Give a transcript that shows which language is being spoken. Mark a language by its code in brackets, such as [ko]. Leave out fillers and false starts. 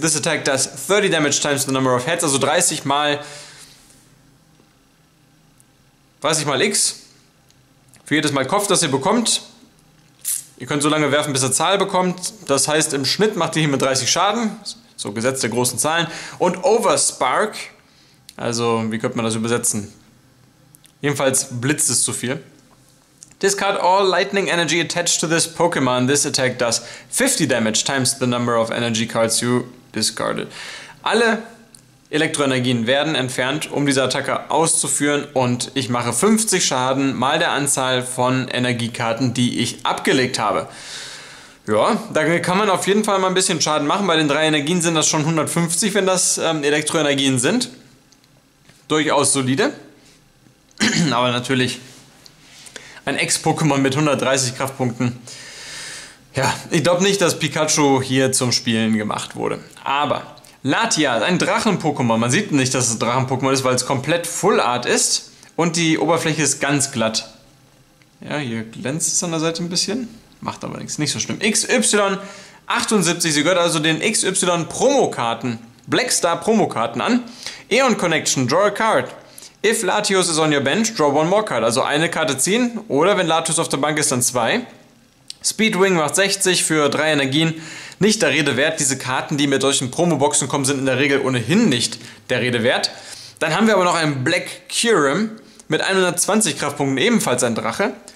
[en] This attack does 30 damage times the number of heads, [de] also 30 mal 30 mal X. Für jedes Mal Kopf, das ihr bekommt. Ihr könnt so lange werfen, bis ihr Zahl bekommt. Das heißt, im Schnitt macht ihr hier mit 30 Schaden. So Gesetz der großen Zahlen. Und Overspark, also wie könnte man das übersetzen? Jedenfalls Blitz ist zu viel. [en] Discard all lightning energy attached to this Pokémon. This attack does 50 damage times the number of energy cards you discarded. [de] Alle Elektroenergien werden entfernt, um diese Attacke auszuführen, und ich mache 50 Schaden mal der Anzahl von Energiekarten, die ich abgelegt habe. Ja, da kann man auf jeden Fall mal ein bisschen Schaden machen. Bei den 3 Energien sind das schon 150, wenn das Elektroenergien sind. Durchaus solide. Aber natürlich ein Ex-Pokémon mit 130 Kraftpunkten. Ja, ich glaube nicht, dass Pikachu hier zum Spielen gemacht wurde. Aber Latias, ein Drachen-Pokémon. Man sieht nicht, dass es ein Drachen-Pokémon ist, weil es komplett Full Art ist und die Oberfläche ist ganz glatt. Ja, hier glänzt es an der Seite ein bisschen. Macht aber nichts, nicht so schlimm. XY78, sie gehört also den XY-Promokarten, Blackstar-Promokarten an. [en] Aeon Connection, draw a card. If Latios is on your bench, draw one more card. [de] Also eine Karte ziehen oder wenn Latios auf der Bank ist, dann 2. Speedwing macht 60 für 3 Energien. Nicht der Rede wert. Diese Karten, die mit solchen Promo-Boxen kommen, sind in der Regel ohnehin nicht der Rede wert. Dann haben wir aber noch einen Black Kyurem mit 120 Kraftpunkten, ebenfalls ein Drache.